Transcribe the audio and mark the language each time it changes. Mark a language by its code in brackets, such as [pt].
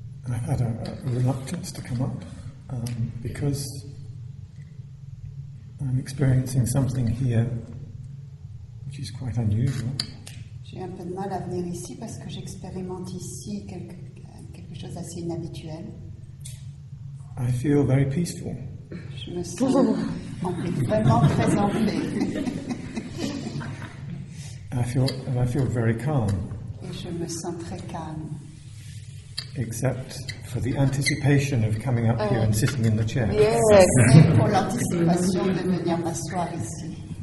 [en] I had a reluctance to come up because I'm experiencing something here which is quite unusual. [fr] J'ai un peu de mal à venir ici parce que j'expérimente ici quelque chose assez inhabituel. [en] I feel very peaceful. [fr] Je me sens vraiment très en paix. [en] I feel very calm. [fr] Et je me sens très calme. [en] Except for the anticipation of coming up here and sitting in the chair. [fr] Yes, c'est pour l'anticipation de venir m'asseoir ici.